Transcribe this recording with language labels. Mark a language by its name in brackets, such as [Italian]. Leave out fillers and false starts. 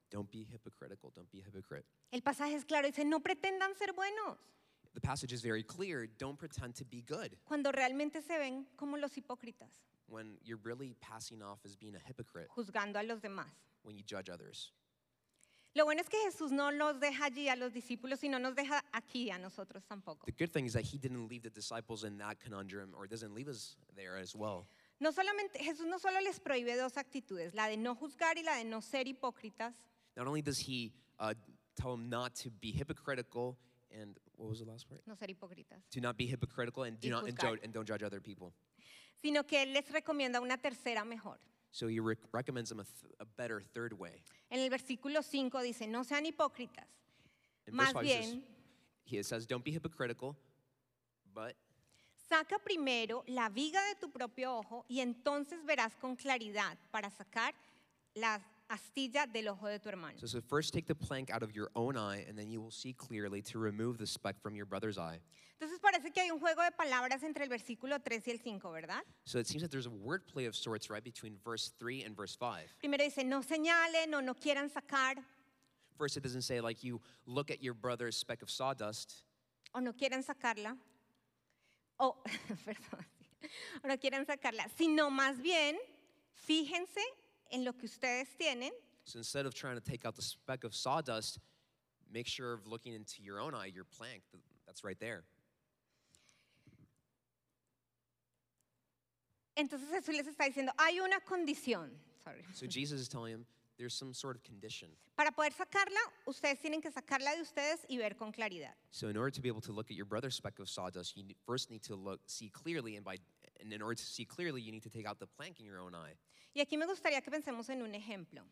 [English] Don't be hypocritical. Don't be a hypocrite. [Spanish] El pasaje es claro. Dice, no pretendan ser buenos. [English] The passage is very clear. Don't pretend to be good. [Spanish] Cuando realmente se ven como los hipócritas. [English] When you're really passing off as being a hypocrite. [Spanish] Juzgando a los demás. [English] When you judge others. [Spanish] Lo bueno es que Jesús no los deja allí a los discípulos y no nos deja aquí a nosotros tampoco. [English] The good thing is that he didn't leave the disciples in that conundrum, or doesn't leave us there as well. [Spanish] No solamente, Jesús no solo les prohíbe dos actitudes, la de no juzgar y la de no ser hipócritas. [English] Not only does he tell them not to be hypocritical. And what was the last word? [Spanish] No ser hipócritas. [English] To not be hypocritical and do not and don't judge other people. [Spanish] Sino que él les recomienda una tercera mejor. [English] So he recommends them a better third way. [Spanish] En el versículo 5 dice, no sean hipócritas. Más bien, [English] he says, don't be hypocritical, but [Spanish] saca primero la viga de tu propio ojo y entonces verás con claridad para sacar las astilla del ojo de tu hermano. [English] So first take the plank out of your own eye and then you will see clearly to remove the speck from your brother's eye. [Spanish] Entonces parece que hay un juego de palabras entre el versículo 3 y el 5, ¿verdad? [English] So it seems that there's a wordplay of sorts right between verse 3 and verse 5. [Spanish] Primero dice, no señalen o no quieran sacar. [English] First it doesn't say like you look at your brother's speck of sawdust. [Spanish] O no quieran sacarla. O, perdón. O no quieran sacarla. Sino más bien, fíjense en lo que ustedes tienen. [English] So instead of trying to take out the speck of sawdust, make sure of looking into your own eye, your plank, that's right there. [Spanish] Entonces Jesús les está diciendo, hay una condición. [English] Sorry. So Jesus is telling him, there's some sort of condition. [Spanish] Para poder sacarla, ustedes tienen que sacarla de ustedes y ver con claridad. [English] So in order to be able to look at your brother's speck of sawdust, you first need to look, see clearly, and in order to see clearly, you need to take out the plank in your own eye. [Spanish] Y aquí me gustaría que pensemos en un ejemplo.